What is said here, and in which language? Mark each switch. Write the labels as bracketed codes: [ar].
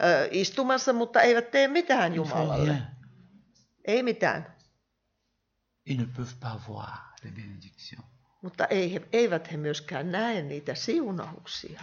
[fi] Istumassa, mutta eivät tee mitään Jumalalle. Ei mitään. [fr] Ils ne peuvent pas voir les bénédictions. [fi] Mutta eivät he myöskään näe niitä siunauksia.